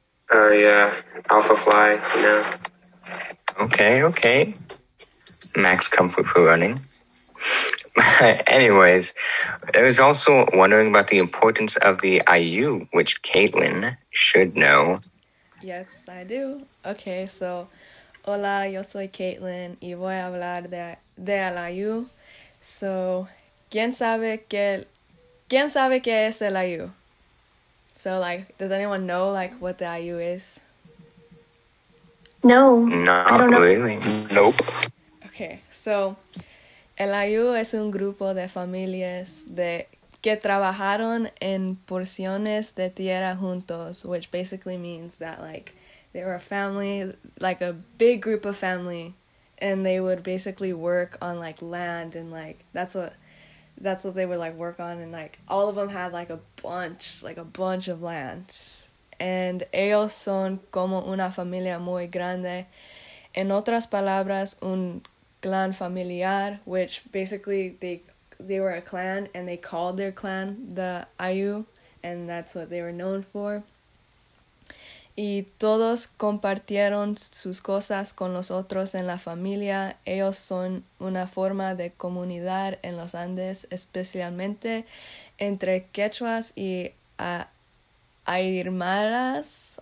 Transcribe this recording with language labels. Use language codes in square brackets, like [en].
[en] Yeah. Alpha Fly, you know. Okay. Max comfort for running. Anyways, I was also wondering about the importance of the Allyu, which Katelyn should know. Yes, I do. [es] Okay, so, hola, yo soy Katelyn, y voy a hablar de el Allyu. So, ¿quién sabe qué es el Allyu? [en] So, like, does anyone know, like, what the Allyu is? No. Not I don't really. Know. Nope. Okay, so [es] el Allyu es un grupo de familias de que trabajaron en porciones de tierra juntos, [en] which basically means that like they were a family, like a big group of family, and they would basically work on like land and like that's what they would like work on, and like all of them had like a bunch of land, and [es] ellos son como una familia muy grande, en otras palabras un clan familiar, [en] which basically they were a clan and they called their clan the Allyu, and that's what they were known for. [es] Y todos compartieron sus cosas con los otros en la familia. Ellos son una forma de comunidad en los Andes, especialmente entre Quechuas y Aymaras.